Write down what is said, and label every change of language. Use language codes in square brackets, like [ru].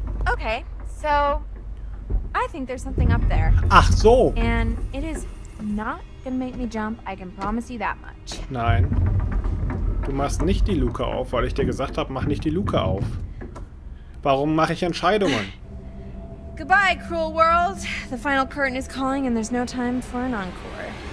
[en] Okay, so I think there's something up there. [de] Ach so. [en] And it is not gonna make me jump, I can promise you that much. [de] Nein. Du machst nicht die Luke auf, weil ich dir gesagt habe, mach nicht die Luke auf. Warum mache ich Entscheidungen? [en] Goodbye, cruel world. The final curtain is calling and there's no time for an encore.